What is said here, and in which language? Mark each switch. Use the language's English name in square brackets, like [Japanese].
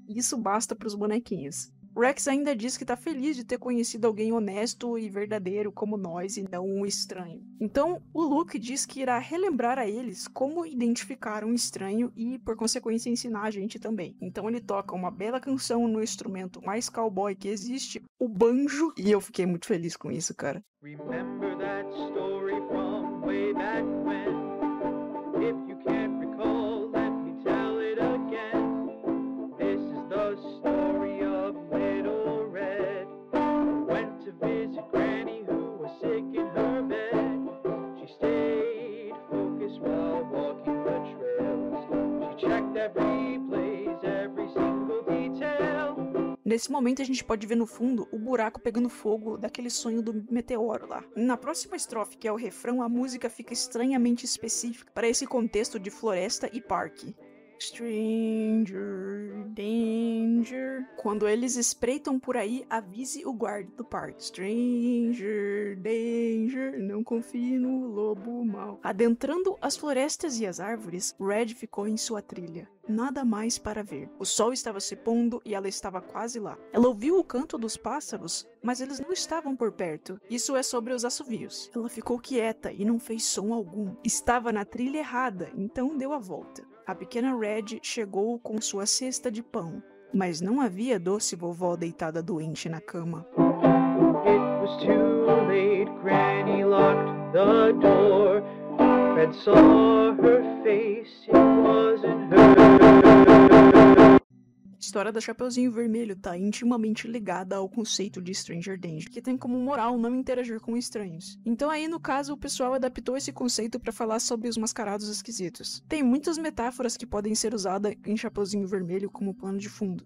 [Portuguese] Isso basta pros bonequinhos. Rex ainda diz que tá feliz de ter conhecido alguém honesto e verdadeiro como nós e não um estranho. Então o Luke diz que irá relembrar a eles como identificar um estranho e, por consequência, ensinar a gente também. Então ele toca uma bela canção no instrumento mais cowboy que existe, o banjo, e eu fiquei muito feliz com isso, cara. [English] Remember that story from way back when? If you can't recall, let me tell it again. This is the story of Little Red. Went to visit Granny who was sick in her bed. She stayed focused while walking the trails. She checked every place, every single detail. [Portuguese] Nesse momento a gente pode ver no fundo o buraco pegando fogo daquele sonho do meteoro lá. Na próxima estrofe, que é o refrão, a música fica estranhamente específica para esse contexto de floresta e parque. [English] Stranger Danger. [Portuguese] Quando eles espreitam por aí, avise o guarda do parque. Stranger Danger, não confie no lobo mau. Adentrando as florestas e as árvores, Red ficou em sua trilha. Nada mais para ver. O sol estava se pondo e ela estava quase lá. Ela ouviu o canto dos pássaros, mas eles não estavam por perto. Isso é sobre os assovios. Ela ficou quieta e não fez som algum. Estava na trilha errada, então deu a volta. A pequena Red chegou com sua cesta de pão, mas não havia doce vovó deitada doente na cama. [English] It was too late, Granny locked the door. Red saw her face, it wasn't her. [Portuguese] A história da Chapeuzinho Vermelho tá intimamente ligada ao conceito de Stranger Danger, que tem como moral não interagir com estranhos. Então aí, no caso, o pessoal adaptou esse conceito para falar sobre os mascarados esquisitos. Tem muitas metáforas que podem ser usadas em Chapeuzinho Vermelho como plano de fundo.